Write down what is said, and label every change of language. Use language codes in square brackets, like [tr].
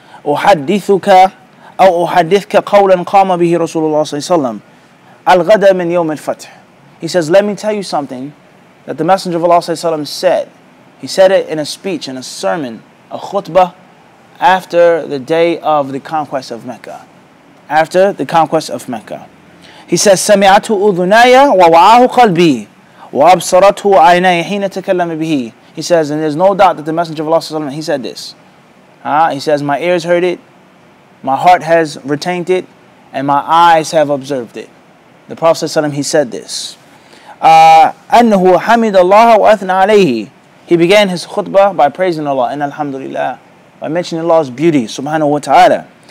[ar] أُحَدِّثُكَ أَوْ أُحَدِّثْكَ قَوْلًا قَامَ بِهِ رَسُولُ اللَّهِ صَلَّى اللَّهُ عَلَيْهِ وَسَلَّمَ الْغَدَى مِنْ يَوْمِ الْفَتْحِ. [en] He says, let me tell you something that the Messenger of Allah [ar] صلى الله عليه وسلم [en] said. He said it in a speech, in a sermon, a khutbah, after the day of the conquest of Mecca. After the conquest of Mecca. He says, [ar] سَمِعَتُ أُذُنَايَ وَوَعَاهُ قَلْبِي وَأَبْصَرَتُ عَيْنَايَ حِينَ تَكَلَّمَ بِهِ. [en] He says, and there's no doubt that the Messenger of Allah, he said this. He says, my ears heard it, my heart has retained it, and my eyes have observed it. The Prophet ﷺ, he said this. [ar] أَنَّهُ حَمِدَ اللَّهَ وَأَثْنَى عَلَيْهِ. [en] He began his khutbah by praising Allah, [ar] إِنَّ الْحَمْدُ لِلَّهِ, [en] by mentioning Allah's beauty, subhanahu wa ta'ala.